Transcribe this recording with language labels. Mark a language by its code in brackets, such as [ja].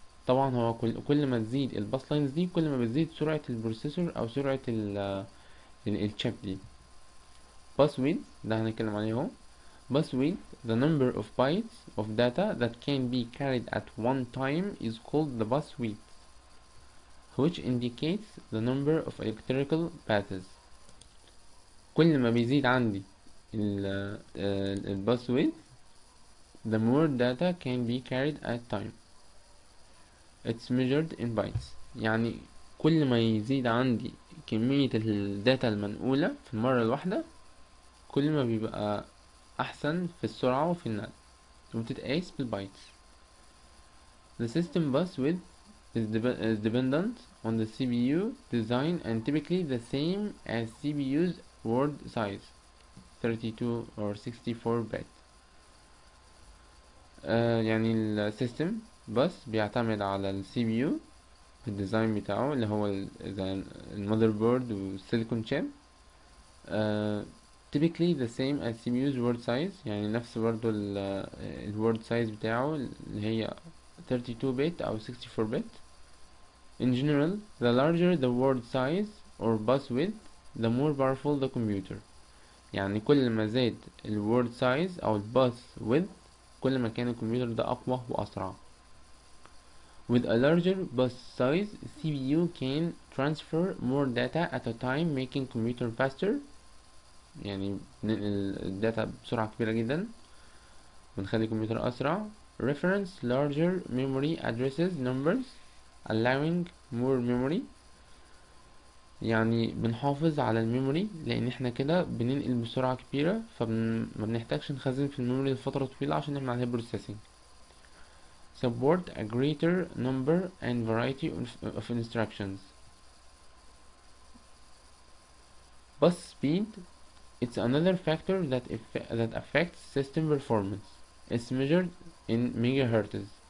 [ar] طبعا هو كل ما تزيد الباس لاينز دي، كل ما بتزيد سرعة البروسيسور او سرعة الشيب دي. باس ويد ده هنتكلم عليه اهو. [en] Bus width the number of bytes of data that can be carried at one time is called the bus width, which indicates the number of electrical paths. [ar] كل ما بيزيد عندي [en] الباس width the more data can be carried at time. It's measured in bytes. [ar] يعني كل ما يزيد عندي كمية الداتا المنقولة في المرة الواحدة، كل ما بيبقى أحسن في السرعة وفي النقل، وبتتقاس بالبايتس. [en] The system bus width is dependent on the CPU design and typically the same as CPU's word size 32 or 64 byte. [ar] يعني ال system bus بيعتمد على ال CPU في ال design بتاعه، اللي هو ال motherboard و silicon chip. [en] Typically the same as CPU's word size، [ar] يعني نفس برضو ال word size بتاعه اللي هي 32 bit أو 64 bit. [en] In general, the larger the word size or bus width, the more powerful the computer. [ar] يعني كل ما زاد ال word size أو ال bus width، كل ما كان الكمبيوتر ده أقوى وأسرع. [en] With a larger bus size, CPU can transfer more data at a time, making computer faster. [ar] يعني ننقل الداتا بسرعة كبيرة جدا ونخلي الكمبيوتر أسرع. [en] Reference larger memory addresses numbers allowing more memory. [ar] يعني بنحافظ على الميموري لأن احنا كده بننقل بسرعة كبيرة، فما بنحتاجش نخزن في الميموري لفترة طويلة عشان نعمل عليها processing. [en] Support a greater number and variety of instructions. Bus speed. It's another factor that affects system performance. It's measured in megahertz.